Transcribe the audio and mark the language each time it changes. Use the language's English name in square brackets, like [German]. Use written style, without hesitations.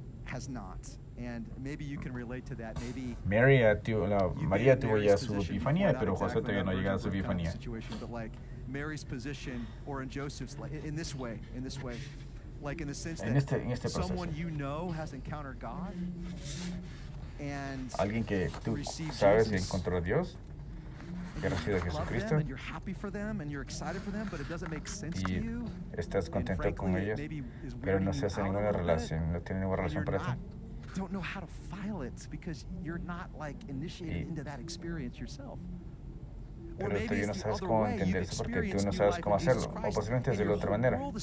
[English] Has not, and maybe you can relate to that. Maybe [Spanish] María tuvo ya su epifanía, pero José todavía no llegó a su epifanía. [English] Situation, but like Mary's position, or in Joseph's, in this way, like in the sense that [Spanish] en este proceso, [English] someone you know has encountered God, and [Spanish] alguien que tú sabes que encontró a Dios, que ha recibido a Jesucristo, [English] and you're happy for them, and you're excited for them, but it doesn't make sense to you. [Spanish] Estás contento con ellos, pero no se hace ninguna relación, no tiene ninguna relación para ti. [English] Don't know how to file it because you're not like initiated into that experience yourself. [Spanish] Pero tú no sabes cómo entender eso porque tú no sabes cómo hacerlo, o posiblemente es de la otra manera.